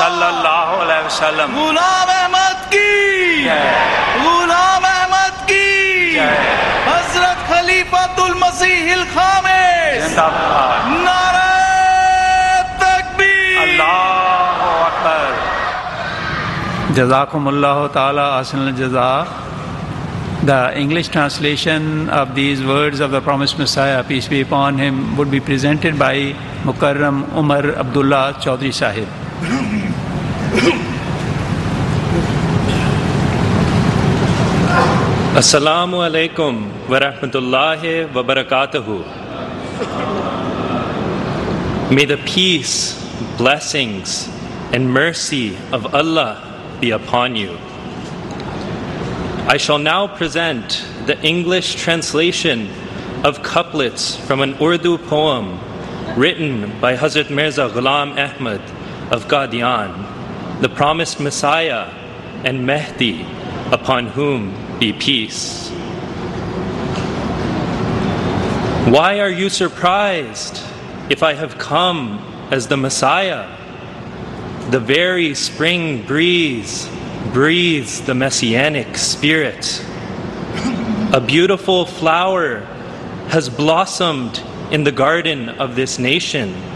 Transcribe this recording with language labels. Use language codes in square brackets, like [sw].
[ur] غلام احمد کی غلام احمد کی حضرت خلیفۃ المسیح الخامس نعرہ تکبیر [ar] اللہ اکبر جزاکم اللہ تعالی احسن الجزاء [en] the English translation of these words of the promised مسیح peace be upon him would be presented by مکرم عمر عبداللہ چودھری صاحب [ar] السلام علیکم ورحمۃ اللہ وبرکاتہ [en] May the peace blessings and mercy of Allah be upon you I shall now present the English translation of couplets from an Urdu poem written by حضرت Mirza Ghulam Ahmad of Qadian the promised Messiah and Mahdi upon him Be peace. Why are you surprised if I have come as the Messiah? The very spring breeze breathes the messianic spirit. A beautiful flower has blossomed in the garden of this nation.